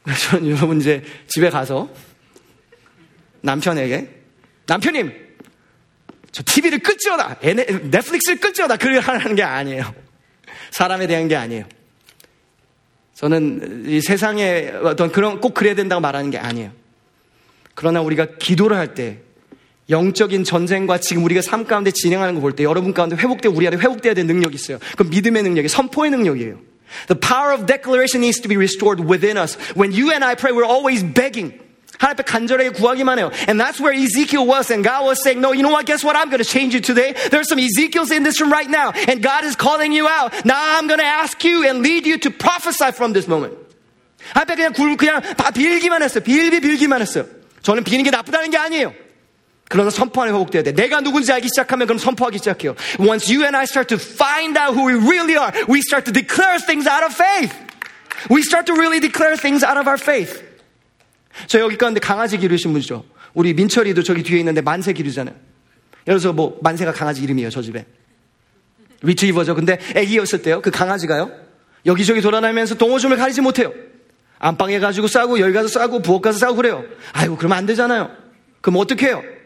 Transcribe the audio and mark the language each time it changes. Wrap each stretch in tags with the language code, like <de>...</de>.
<ko>저는 여러분 이제 집에 가서 남편에게 남편님 저 TV를 끌지어다 넷플릭스를 끌지어다 그걸 하라는 게 아니에요. 사람에 대한 게 아니에요. 저는 이 세상에 어떤 그런 꼭 그래야 된다고 말하는 게 아니에요. 그러나 우리가 기도를 할 때 영적인 전쟁과 지금 우리가 삶 가운데 진행하는 거 볼 때 여러분 가운데 회복되고 우리 안에 회복되어야 될 능력이 있어요. 그건 믿음의 능력이에요. 선포의 능력이에요.</ko> <en>The power of declaration needs to be restored within us. When you and I pray, we're always begging.</en> <ko>하나님 앞에 간절하게 구하기만 해요.</ko> <en>And that's where Ezekiel was. And God was saying, no, you know what? Guess what? I'm going to change you today. There are some Ezekiels in this room right now. And God is calling you out. Now I'm going to ask you and lead you to prophesy from this moment.</en> <ko>하나님 앞에 그냥 다 빌기만 했어요. 빌기만 했어요. 저는 비는 게 나쁘다는 게 아니에요. 그러나 선포 안에 회복돼야 돼. 내가 누군지 알기 시작하면 그럼 선포하기 시작해요.</ko> <en>Once you and I start to find out who we really are, we start to declare things out of faith. We start to really declare things out of our faith.</en> <ko>저 여기 가운데 강아지 기르신 분이죠. 우리 민철이도 저기 뒤에 있는데 만세 기르잖아요. 예를 들어서 뭐 만세가 강아지 이름이에요. 저 집에 리트리버죠. 근데 애기였을 때요 그 강아지가요 여기저기 돌아다니면서 동호줌을 가리지 못해요. 안방에 가지고 싸고 여기 가서 싸고 부엌 가서 싸고 그래요. 아이고 그러면 안 되잖아요. 그럼 어떻게 해요?</ko>